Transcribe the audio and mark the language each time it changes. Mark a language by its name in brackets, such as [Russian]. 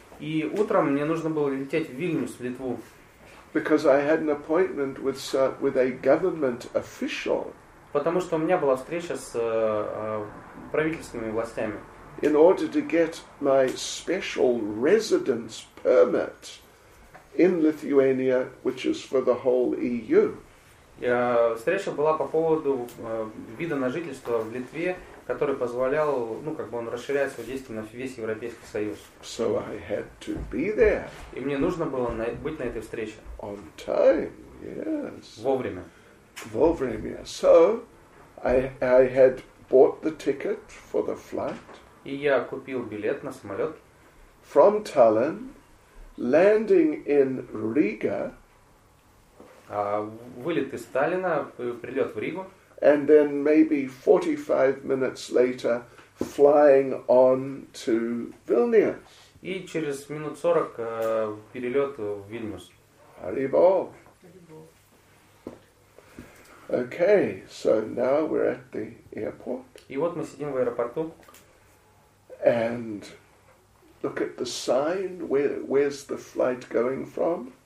[Russian] И утром мне нужно было лететь в Вильнюс, в Литву. [English] Because I had an appointment with a government official. [Russian] Потому что у меня была встреча с правительственными властями. [English] In order to get my special residence permit in Lithuania, which is for the whole EU. [Russian] Встреча была по поводу вида на жительство в Литве, который позволял, ну, как бы он расширяет свое действие на весь Европейский Союз. [English] So I had to be there. [Russian] И мне нужно было быть на этой встрече. [English] On time, yes. [Russian] Вовремя. Вовремя. [English] So I had bought the ticket for the flight. [Russian] И я купил билет на самолет. [English] From Tallinn, landing in Riga. [Russian] Вылет из Таллина, прилет в Ригу. [English] And then maybe 45 minutes later, flying on to Vilnius. [Russian] И через минут 40 перелет в Вильнюс. Haribo. [English] Okay, so now we're at the airport. [Russian] И вот мы сидим в аэропорту. [English] And look at the sign. Where's the flight going from?